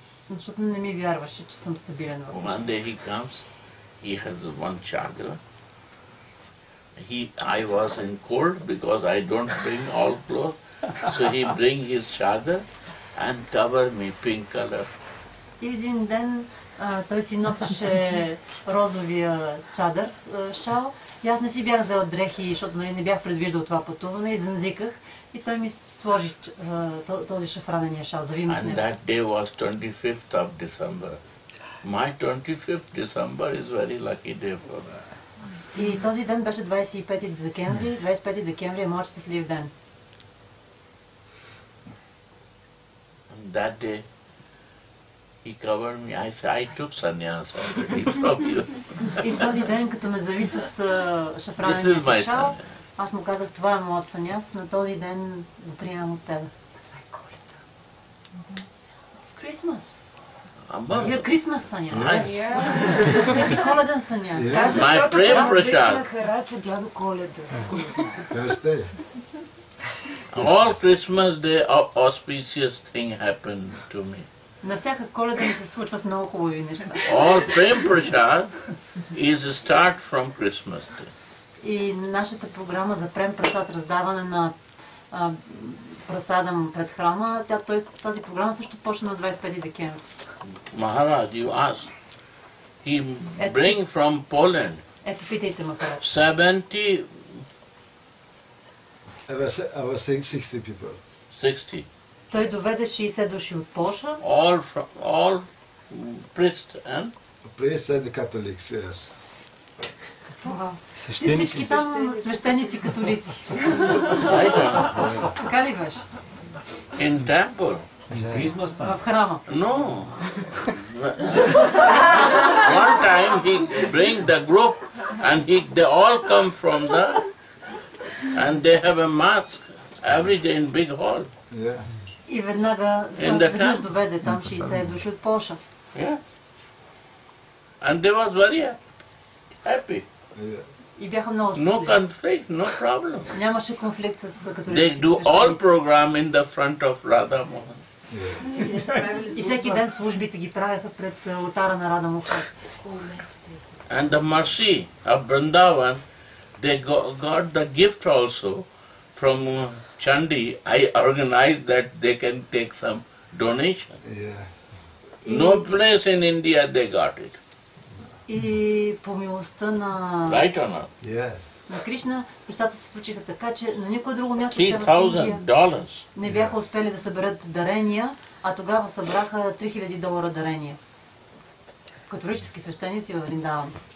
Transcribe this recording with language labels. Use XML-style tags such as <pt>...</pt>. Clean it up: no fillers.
<bg>Защото не ми вярваше, че съм стабилен в Колумбия.</bg> <en>One day he comes, he has one chakra. I was in cold because I don't bring all clothes. So he bring his chakra and cover me pink color.</en> <bg>И един ден той си носеше розовия чадър, шал. И аз не си бях взел дрехи, защото нали, не бях предвиждал това пътуване, изънзиках. И той ми сложи този шафранения шал. Зави ме с него.</bg> <en>And that day was 25th of December. My 25th December is very lucky day for me.</en> <bg>И този ден беше 25 декември. 25 декември е моят щастлив ден.</bg> <en>And that day, he covered me. I said, I took sannyas already from you.</en> <bg>И този ден, като ме зави с шафранен шал, аз му казах, това е моят саняс, на този ден го приемам от тебе. Това е Коледа.</bg> <en>It's Christmas.</en> <bg>Вие Крисмас саняс. Ти си Коледен саняс. Да, защото това Махарадж е дядо Коледа. Да, ще е.</bg> <en>All Christmas day auspicious thing happened to me.</en> <bg>На всяка Коледа ми се случват много хубави неща.</bg> <en>All Prem Prashad is start from Christmas day.</en> <bg>И нашата програма за Prem Prashad, раздаване на прасадам пред храма, тази програма също почна на 25 декември.</bg> <en>Maharaj, you ask. He bring from Poland.</en> <bg>Ето питайте, Махарадж. 70...</bg> <en>I was saying 60 people. 60.</en> <bg>Той доведе 60 души от Польша.</bg> <en>All from all priests and Catholics, yes. Wow.</en> <bg>Всички там свещеници католици. Така ли беше?</bg> <en>In temple. Christmas time.</en> <bg>В храма.</bg> <en>No. One time he bring the group and he they all come from the and they have a mass every day in big hall. Yeah.</en> <bg>И веднага веднъж доведе там 60 души от Польша.</bg> <en>Yeah. And they was very happy.</en> <bg>И бяха много щастливи.</bg> <en>No conflict, no problem.</en> <bg>Нямаше конфликт с католиците.</bg> <en>They do all program in the front of Radha Mohan.</en> <bg>И всеки ден службите ги правяха пред алтара на Радха Мохан.</bg> <en>And the mercy of Vrindavan, they got the gift also from Chandi. I organized that they can take some donation. Yeah. No place in India they got it.</en> <bg>И по милостта на...</bg> <en>Right or not? Yes.</en> <bg>На Кришна нещата се случиха така, че на никое друго място $3,000 не бяха успели да съберат дарения, а тогава събраха $3,000 дарения. Католически свещеници във Риндаван.</bg>